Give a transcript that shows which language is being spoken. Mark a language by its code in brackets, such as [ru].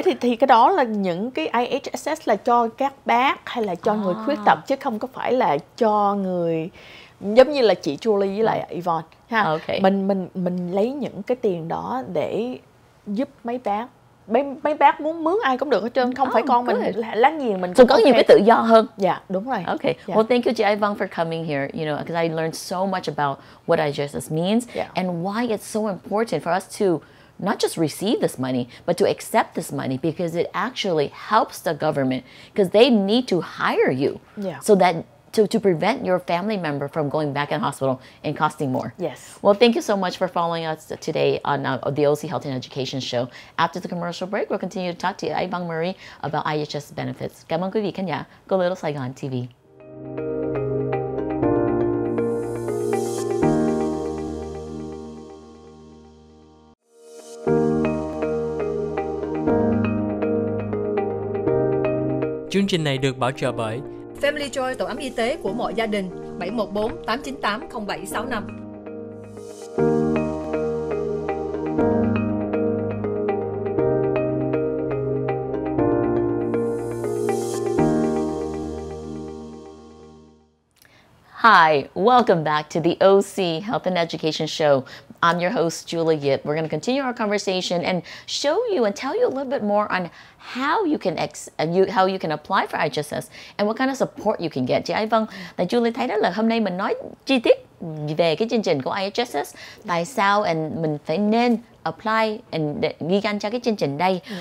[vi] Thì cái đó là những cái IHSS là cho các bác hay là cho người khuyết tật, chứ không có phải là cho người giống như là chị Julie với lại Yvonne ha. Mình lấy những cái tiền đó để giúp mấy bác. Mấy bác muốn mướn ai cũng được hết trơn, không phải con mình láng giềng mình cũng có nhiều cái tự do hơn. [en] Well, thank you chị Ái Vân for coming here, because I learned so much about what IHSS means and why it's so important for us to not just receive this money, but to accept this money, because it actually helps the government, because they need to hire you so that to prevent your family member from going back in hospital and costing more. Well, thank you so much for following us today on the OC Health and Education Show. After the commercial break, we'll continue to talk to Ái Vân Murray about IHS benefits. [vi] Cảm ơn quý vị khán giả, Go Little Saigon TV. Chương trình này được bảo trợ bởi Family Joy, tổ ấm y tế của mọi gia đình, 714-898-0765. [en] Hi, welcome back to the OC Health and Education Show. I'm your host, Julie Yip. We're going to continue our conversation and show you and tell you a little bit more on how you can how you can apply for IHSS and what kind of support you can get. [vi] Chị Ai Vân, là Julie thấy đó là hôm nay mình nói chi tiết về cái chương trình của IHSS, tại sao and mình phải nên apply and ghi danh cho cái chương trình đây.